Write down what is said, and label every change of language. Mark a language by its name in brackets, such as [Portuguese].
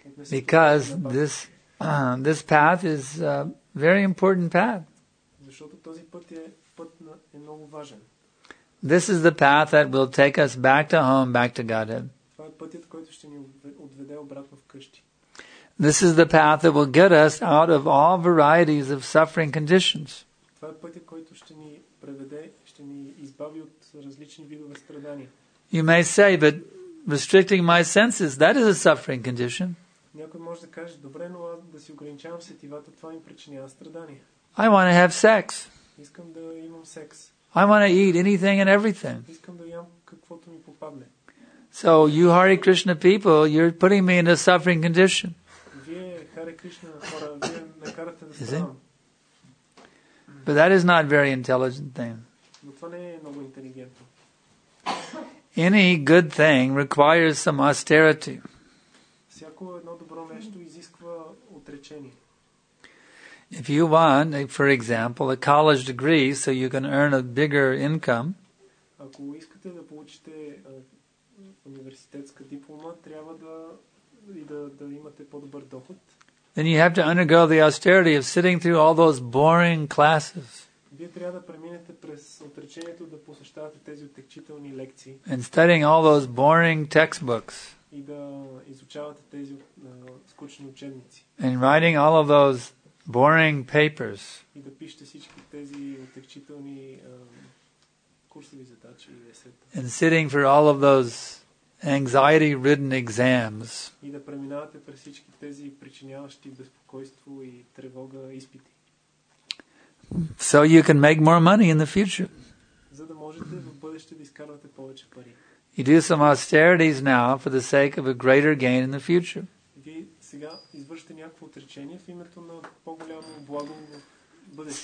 [English] Because this path is a very important path. [Bulgarian] Защото този път е път на много важен. [English] This is the path that will take us back to home, back to Godhead. [Bulgarian] Това е пътят, който ще ни отведе обратно вкъщи. [English] This is the path that will get us out of all varieties of suffering conditions. [Bulgarian] Това е пътят, който ще ни преведе, ще ни избави от различни видове страдания. [English] You may say, but restricting my senses, that is a suffering condition. [Bulgarian] Някой може да каже, добре, но аз да си ограничавам сетивата, това ми причинява страдания. [English] I want to have sex. [Bulgarian] Искам да имам секс. [English] I want to eat anything and everything. [Bulgarian] Искам да ям каквото ми попадне. [English] So you Hare Krishna people, you're putting me in a suffering condition. [Bulgarian] Вие Hare Krishna хора, вие ме карате да страдам. [English] But that is not a very intelligent thing. [Bulgarian] Но това не е много интелигентно. [English] Any good thing requires some austerity. [Bulgarian] Всяко едно добро нещо изисква отречение. [English] If you want, for example, a college degree so you can earn a bigger income, [Bulgarian] ако искате да получите университетска диплома, трябва да имате по-добър доход. [English] Then you have to undergo the austerity of sitting through all those boring classes. [Bulgarian] Вие трябва да преминете през отречението да посещавате тези отекчителни лекции. [English] And studying all those boring textbooks. [Bulgarian] И да изучавате тези скучни учебници. [English] And writing all of those boring papers. [Bulgarian] И да пишете всички тези отекчителни курсови задачи и есета. [English] And sitting for all of those anxiety-ridden exams. [Bulgarian] И да преминавате през всички тези причиняващи безпокойство и тревога изпити. [English] So you can make more money in the future. [Bulgarian] За да можете в бъдеще да изкарвате повече пари. [English] You do some austerities now for the sake of a greater gain in the future. [Bulgarian] Сега извършите някакво отречение в името на по-голямо благо в бъдеще.